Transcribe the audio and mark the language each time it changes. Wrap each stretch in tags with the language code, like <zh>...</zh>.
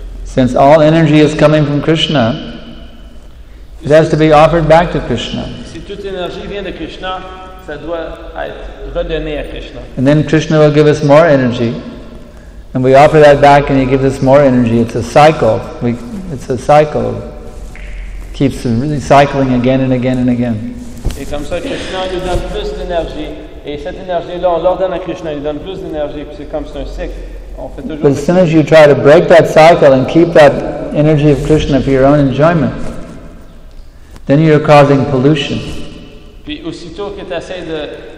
<en>Since all energy is coming from Krishna, it has to be offered back to Krishna.</en> <fr>Si toute énergie vient de Krishna, ça doit être redonné à Krishna.</fr> <en>And then Krishna will give us more energy, and we offer that back, and he gives us more energy. It's a cycle. It's a cycle. Keeps recycling again and again and again.</en> <fr>Et comme ça, Krishna lui donne plus d'énergie. Et cette énergie-là, on l'ordonne à Krishna, il lui donne plus d'énergie. Puis c'est comme c'est un cycle. On fait toujours.</fr> <en>But as soon as you try to break that cycle and keep that energy of Krishna for your own enjoyment, then you're causing pollution.</en> <fr>Puis aussitôt que tu essaies de</fr>